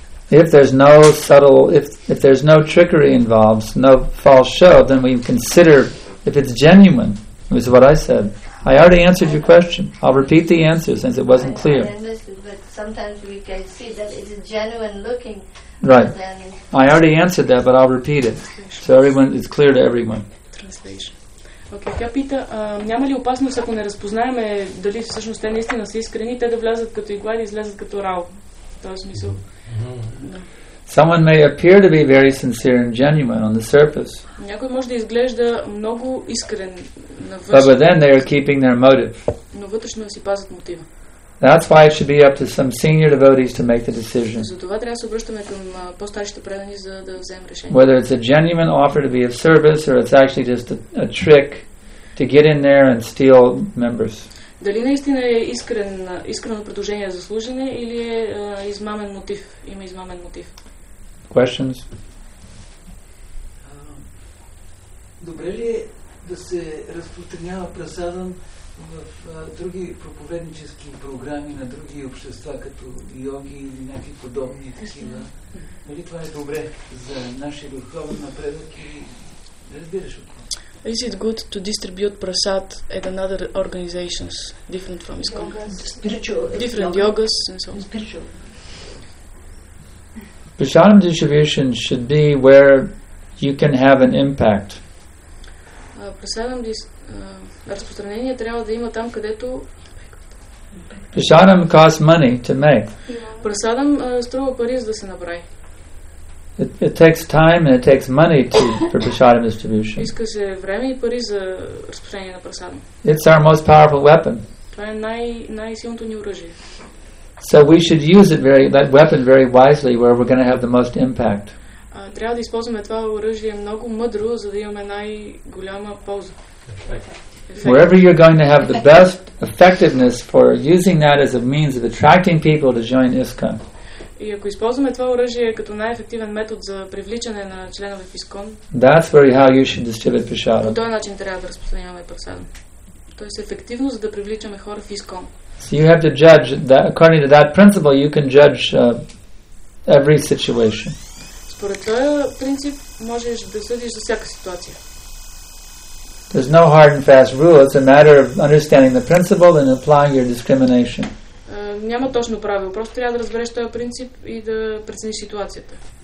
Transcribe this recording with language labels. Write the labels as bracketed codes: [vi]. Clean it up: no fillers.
[en] If there's no subtle, if there's no trickery involved, no false show, then we consider if it's genuine, is what I said. I already answered your question. I'll repeat the answer since it wasn't clear. I understand, but sometimes we can see that it is genuine looking. Right. I already answered that, but I'll repeat it. So everyone, it's clear to everyone. Translation. [bg] Okay, тя пита, няма ли опасност, ако не разпознаеме дали всъщност те наистина са искрени, те да влязат като игла и излязат като рал? Този смисъл. [en] Someone may appear to be very sincere and genuine on the surface. [bg] Някой може да изглежда много искрен навътре. [en] But within they are keeping their motive. [bg] Но вътрешно си пазят мотива. [en] That's why it should be up to some senior devotees to make the decision. [bg] Затова трябва да се обръщаме към по-старшите предани, за да вземем решение. [en] Whether it's a genuine offer to be of service or it's actually just a trick to get in there and steal members. [bg] Дали наистина е искрено предложение за служене или е измамен мотив? Има измамен мотив. [en] Questions? [bg] Добре ли е да се разпространява прасадам в други проповеднически програми на други общества, като йоги или някакви подобни такива? Дали това е добре за нашия духовен напредък или разбираш от това? [en] Is it good to distribute prasad at another organizations different from his yogas, spiritual different yogas and so on? Spiritual. Prasadam distribution should be where you can have an impact. [bg] Prasadam разпространение трябва да има там, където [en] prasadam costs money to make. [bg] Prasadam струва пари, за да се направи. [en] It takes time and it takes money for prasadam distribution. [bg] Иска се време и пари за разпространение на прасадам. [en] It's our most powerful weapon. [bg] Това е най-силното ни оръжие. [en] So we should use it very, that weapon very wisely where we're going to have the most impact. [bg] Трябва да използваме това оръжие много мъдро, за да имаме най-голяма полза. [en] Wherever you're going to have the best effectiveness for using that as a means of attracting people to join ISKCON. [bg] И ако използваме това оръжие като най-ефективен метод за привличане на членове в ИСКОН, [en] that's very how you should distribute prasadam. [bg] По този начин трябва да разпространяваме прасадам. Тоест ефективно, за да привличаме хора в ИСКОН. [en] So you have to judge that according to that principle, you can judge every situation. [bg] Според този принцип можеш да съдиш за всяка ситуация. [en] There's no hard and fast rule. It's a matter of understanding the principle and applying your discrimination. [bg] няма точно правило. Просто трябва да разбереш този принцип и да прецениш ситуацията.